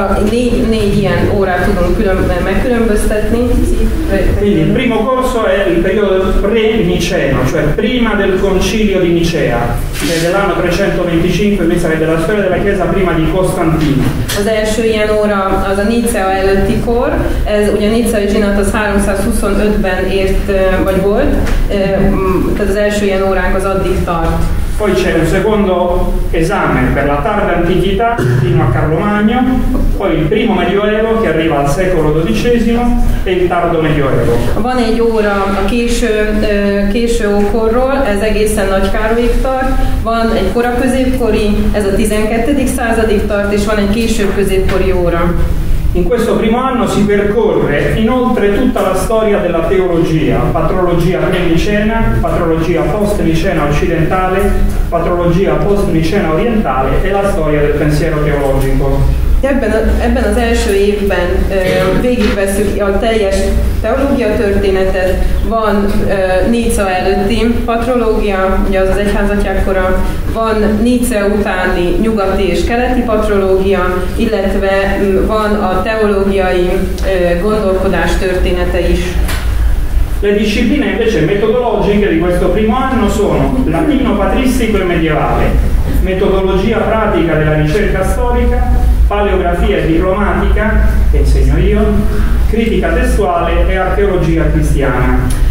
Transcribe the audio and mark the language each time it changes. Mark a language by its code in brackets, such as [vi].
[hu] Négy ilyen órát tudunk megkülönböztetni. [it] Quindi il primo corso è il periodo pre-Niceno, cioè prima del concilio di Nicea, che dell'anno 325, mi sarebbe la storia della Chiesa prima di Costantino. [hu] Az első ilyen óra az a Nicea előtti kor, ez ugye a Niceai zsinat az 325-ben ért, vagy volt, tehát az első ilyen órák az addig tart. [it] Poi c'è un secondo esame per la tarda antichità fino a Carlo Magno, poi il primo medioevo che arriva al secolo XII e il tardo medioevo. [hu] Van egy óra a késő ókorról, ez egészen Nagy Károlyig tart, van egy kora középkori, ez a 12. századig tart, és van egy késő középkori óra. [it] In questo primo anno si percorre inoltre tutta la storia della teologia, patrologia pre-Nicena, patrologia post-Nicena occidentale, patrologia post-Nicena orientale e la storia del pensiero teologico. [hu] Ebben az első évben végigveszünk a teljes teológia történetet, van Nice előtti patrológia, ugye az az egyházatyákkora, van Nice utáni nyugati és keleti patrológia, illetve van a teológiai gondolkodás története is. [it] Le discipline invece metodologiche di questo primo anno sono latino, patristico e medievale, metodologia pratica della ricerca storica, paleografia e diplomatica, che insegno io, critica testuale e archeologia cristiana.